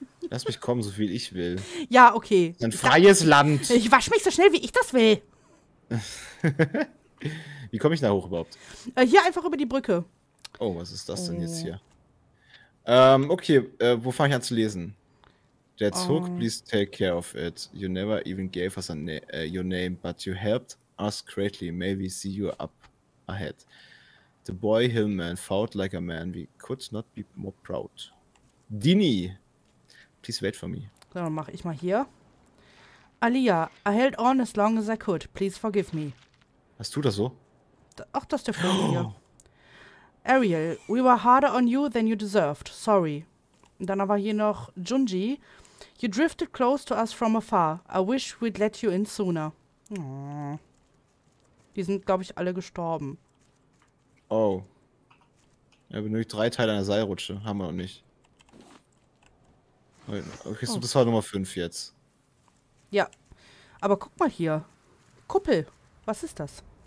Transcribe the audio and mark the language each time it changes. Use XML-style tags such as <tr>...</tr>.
<de>Lass mich kommen, so viel ich will. Ja, okay. Ein freies Land. Ich wasche mich so schnell, wie ich das will. Wie komme ich da hoch überhaupt? Hier einfach über die Brücke. Oh, was ist das denn jetzt hier? Okay, wo fange ich an zu lesen? Der Zug,</de> <en>please take care of it. You never even gave us your name, but you helped us greatly. May we see you up ahead. The boy Hillman fought like a man. We could not be more proud. Dini, please wait for me.</en> <de>So, dann mache ich mal hier.</de> <en>Aliyah, I held on as long as I could. Please forgive me.</en> <de>Was tut das so? Ach, das ist der Film hier.</de> <en>Ariel, we were harder on you than you deserved. Sorry.</en> <de>Und dann aber hier noch Junji.</de> <en>You drifted close to us from afar. I wish we'd let you in sooner.</en> <de>Die sind, glaube ich, alle gestorben. Oh. Ja, benötigt 3 Teile einer Seilrutsche. Haben wir noch nicht. Okay, so das war Nummer 5 jetzt. Ja. Aber guck mal hier. Kuppel. Was ist das?</de>